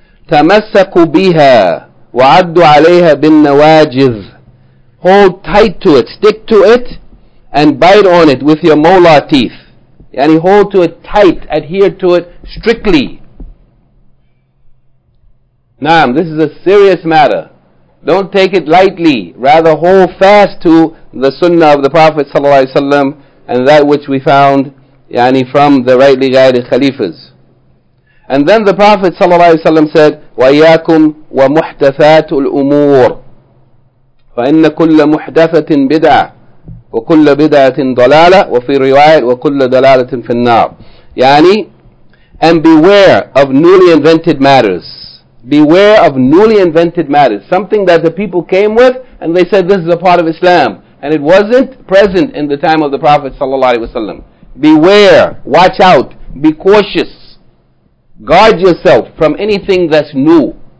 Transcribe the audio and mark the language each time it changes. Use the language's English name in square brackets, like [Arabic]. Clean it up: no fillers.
[Arabic] تمسكوا بها وعدوا عليها بالنواجذ. [English] Hold tight to it, stick to it, and bite on it with your molar teeth. Yani hold to it tight, adhere to it strictly. Naam, this is a serious matter. Don't take it lightly. Rather hold fast to the sunnah of the Prophet ﷺ and that which we found yani from the rightly guided khalifas. [Arabic] And then the Prophet ﷺ said, وَإِيَّاكُمْ وَمُحْدَثَاتُ الْأُمُورِ فَإِنَّ كُلَّ مُحْدَثَةٍ بِدْعَةٍ وَكُلَّ بِدْعَةٍ ضَلَالَةٍ وَفِي رِوَايَةٍ وَكُلَّ دَلَالَةٍ فِي النَّارِ يعني, [English] and beware of newly invented matters. Beware of newly invented matters. Something that the people came with and they said this is a part of Islam. And it wasn't present in the time of the Prophet ﷺ. Beware, watch out, be cautious. Guard yourself from anything that's new.